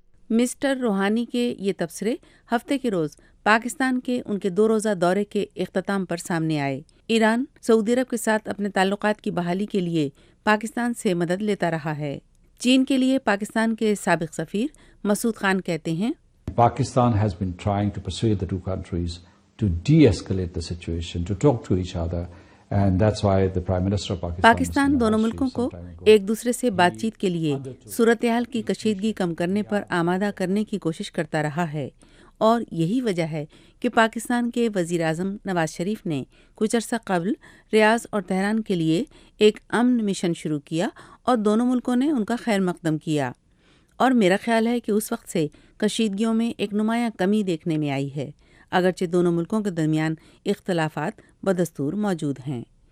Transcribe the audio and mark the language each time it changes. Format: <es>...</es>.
<ur>Mister روحانی کے یہ تبصرے ہفتے کے روز پاکستان کے ان کے 2 روزہ دورے کے اختتام پر سامنے آئے. ایران سعودی عرب کے ساتھ اپنے تعلقات کی بحالی کے لیے پاکستان سے مدد لیتا رہا ہے. چین کے لیے پاکستان کے سابق سفیر مسعود خان کہتے ہیں,</ur> <en>Pakistan has been trying to persuade the 2 countries to de-escalate the situation, to talk to each other, and that's why the Prime Minister of Pakistan,</en> <ur>Pakistan دونوں ملکوں کو ایک دوسرے سے بات چیت کے لیے صورتحال کی کشیدگی کم کرنے پر آمادہ کرنے کی کوشش کرتا رہا ہے, اور یہی وجہ ہے کہ پاکستان کے وزیر اعظم نواز شریف نے کچھ عرصہ قبل ریاض اور تہران کے لیے ایک امن مشن شروع کیا, اور دونوں ملکوں نے ان کا خیر مقدم کیا, اور میرا خیال ہے کہ اس وقت سے کشیدگیوں میں ایک نمایاں کمی دیکھنے میں آئی ہے, اگرچہ دونوں ملکوں کے درمیان اختلافات بدستور موجود ہیں.</ur>